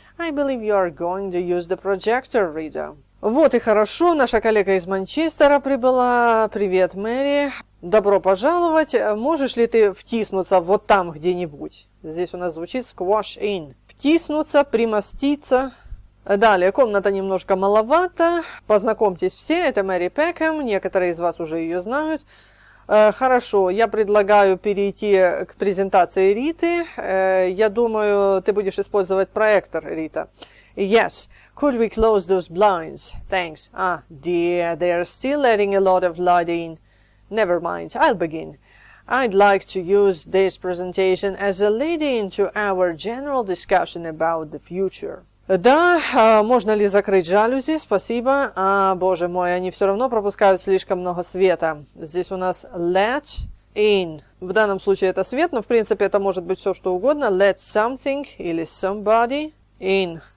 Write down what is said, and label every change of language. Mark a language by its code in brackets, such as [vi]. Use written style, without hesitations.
[en] I believe you are going to use the projector, Reader. [ru] Вот и хорошо. Наша коллега из Манчестера прибыла. Привет, Мэри. Добро пожаловать. Можешь ли ты втиснуться вот там где-нибудь? Здесь у нас звучит squash in. Втиснуться, примоститься. Далее, комната немножко маловата. Познакомьтесь все, это Мэри Пекхэм. Некоторые из вас уже ее знают. Хорошо, я предлагаю перейти к презентации Риты. Я думаю, ты будешь использовать проектор, Рита. [en] Yes, could we close those blinds? Thanks. Ah, dear, they are still letting a lot of light in. Never mind, I'll begin. I'd like to use this presentation as a lead-in to our general discussion about the future. [ru] Да, можно ли закрыть жалюзи? Спасибо. А, боже мой, они все равно пропускают слишком много света. Здесь у нас let in. В данном случае это свет, но в принципе это может быть все что угодно. [en] Let something [ru] или [en] somebody in.